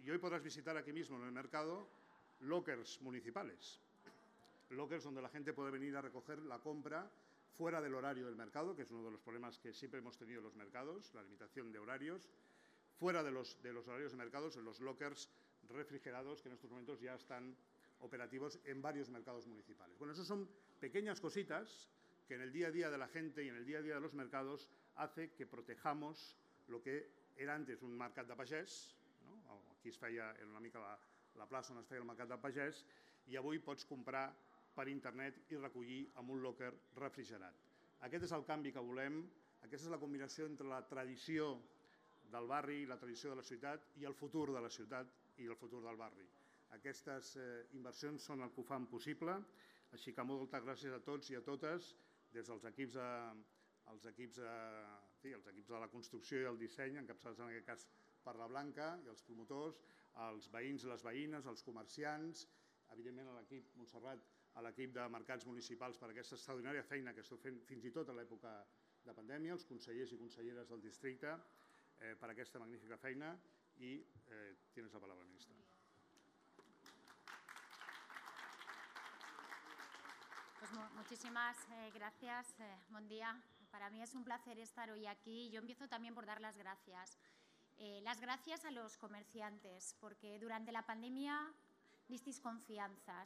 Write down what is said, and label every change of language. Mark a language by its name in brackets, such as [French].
[Spanish] Y hoy podrás visitar aquí mismo en el mercado lockers municipales, lockers donde la gente puede venir a recoger la compra fuera del horario del mercado, que es uno de los problemas que siempre hemos tenido en los mercados, la limitación de horarios, fuera de los horarios de mercados, en los lockers refrigerados que en estos momentos ya están operativos en varios mercados municipales. Bueno, esas son pequeñas cositas que en el día a día de la gente y en el día a día de los mercados hace que protejamos lo que era antes un mercat de pagès, ¿no? [Catalan] Aquí es feia en una mica la plaça on es feia el mercat de pagès, i avui pots comprar per internet i recollir amb un locker refrigerat. Aquest és el canvi que volem Aquesta és la combinació entre la tradició del barri i la tradició de la ciutat i el futur de la ciutat i el futur del barri. Aquestes inversions són el que ho fan possible, així que moltes gràcies a tots i a totes, des dels equips de, els equips de la construcció i el disseny, encapçalats en aquest cas per la Blanca i els promotors, els veïns i les veïnes, els comerciants, evidentment a l'equip Montserrat, a l'equip de mercats municipals per aquesta extraordinària feina que esteu fent fins i tot a l'època de pandèmia, els consellers i conselleres del districte, per aquesta magnífica feina, i tens la paraula, ministre. [Spanish] Pues muchísimas gracias, buen día. Para mí es un placer estar hoy aquí. Yo empiezo también por dar las gracias. Las gracias a los comerciantes, porque durante la pandemia disteis confianza.